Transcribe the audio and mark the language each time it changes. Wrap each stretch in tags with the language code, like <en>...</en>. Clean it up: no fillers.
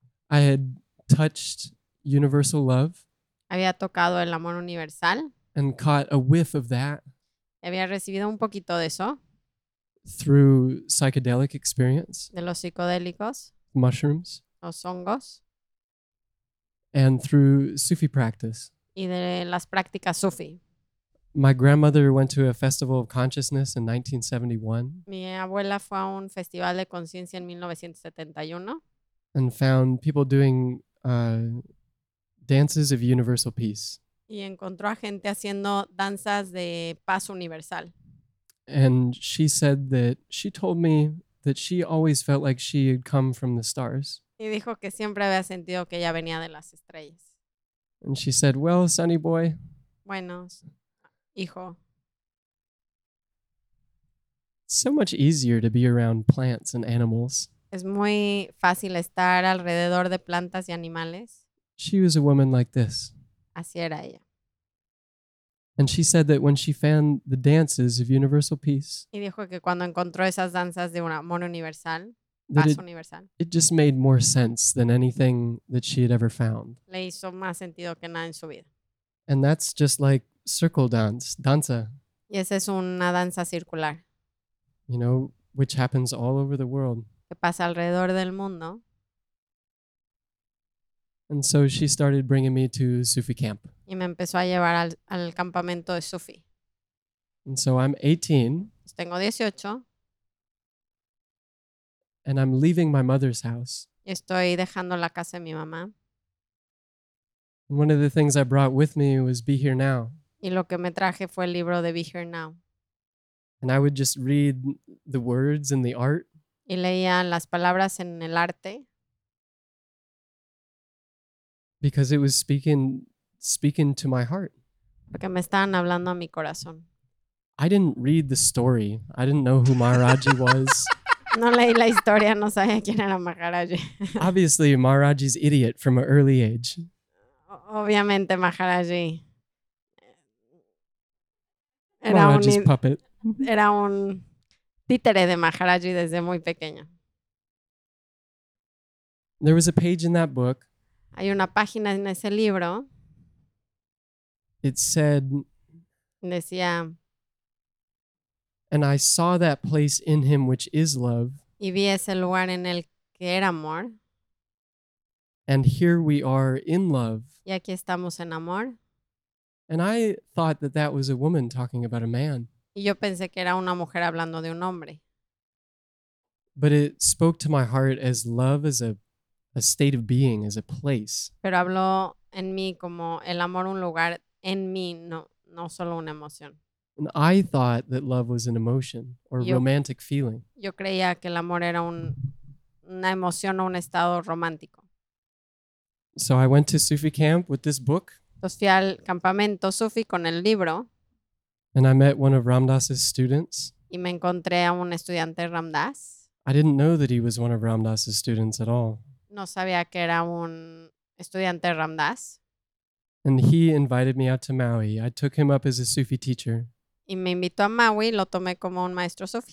<en>I had touched universal love.</en> <es>había tocado el amor universal.</es> <en>And caught a whiff of that.</en> <es>Había recibido un poquito de eso.</es> <en>Through psychedelic experience.</en> <es>De los psicodélicos.</es> <en>Mushrooms.</en> <es>Los hongos.</es> <en>And through Sufi practice.</en> <es>Y de las prácticas Sufi.</es> <en>My grandmother went to a festival of consciousness in 1971.</en> <es>Mi abuela fue a un festival de conciencia en 1971.</es> <en>And found people doing dances of universal peace.</en> <es>Y encontró a gente haciendo danzas de paz universal.</es> <en>And she said that she told me that she always felt like she had come from the stars.</en> <es>Y dijo que siempre había sentido que ella venía de las estrellas.</es> <en>And she said, "Well, sonny boy."</en> <es>Bueno, hijo.</es> <en>So much easier to be around plants and animals.</en> <es>Es muy fácil estar alrededor de plantas y animales.</es> <en>She was a woman like this.</en> <es>Así era ella.</es> <en>And she said that when she found the dances of universal peace.</en> <es>Y dijo que cuando encontró esas danzas de un amor universal, paz universal.</es> <en>It just made more sense than anything that she had ever found.</en> <es>Le hizo más sentido que nada en su vida.</es> <en>And that's just like circle dance, danza.</en> <es>Y esa es una danza circular.</es> <en>You know, which happens all over the world.</en> <es>Que pasa alrededor del mundo.</es> <en>And so she started bringing me to Sufi camp.</en> <es>Y me empezó a llevar al campamento de Sufi.</es> <en>And so I'm 18.</en> <es>Pues tengo 18.</es> <en>And I'm leaving my mother's house.</en> <es>Y estoy dejando la casa de mi mamá.</es> <en>And one of the things I brought with me was Be Here Now.</en> <es>Y lo que me traje fue el libro de Be Here Now.</es> <en>And I would just read the words and the art.</en> <es>Y leía las palabras en el arte.</es> <en>Because it was speaking to my heart.</en> <es>Porque me estaban hablando a mi corazón.</es> <en>I didn't read the story. I didn't know who Maharaji was.</en> <es>No leí la historia, no sabía quién era Maharaji.</es> <en>Obviously, Maharaji's idiot from an early age.</en> <es>Obviamente, Maharaji. Era Maharaji's un puppet. Era un títere de Maharaji desde muy pequeño.</es> <en>There was a page in that book.</en> <es>Hay una página en ese libro.</es> <en>It said.</en> <es>Decía.</es> <en>And I saw that place in him which is love.</en> <es>Y vi ese lugar en el que era amor.</es> <en>And here we are in love.</en> <es>Y aquí estamos en amor.</es> <en>And I thought that that was a woman talking about a man.</en> <es>Y yo pensé que era una mujer hablando de un hombre.</es> <en>But it spoke to my heart as love as a state of being, as a place.</en> <es>Pero habló en mí como el amor un lugar en mí, no solo una emoción.</es> <en>And I thought that love was an emotion or romantic feeling.</en> <es>Yo creía que el amor era una emoción o un estado romántico.</es> <en>So I went to Sufi camp with this book.</en> <es>Entonces fui al campamento Sufi con el libro.</es> <en>And I met one of Ramdas's students.</en> <es>Y me encontré a un estudiante Ramdas.</es> <en>I didn't know that he was one of Ramdas's students at all.</en> <es>No sabía que era un estudiante Ramdas.</es> <en>And he invited me out to Maui. I took him up as a Sufi teacher.</en> <es>Y me invitó a Maui, lo tomé como un maestro Sufi.</es>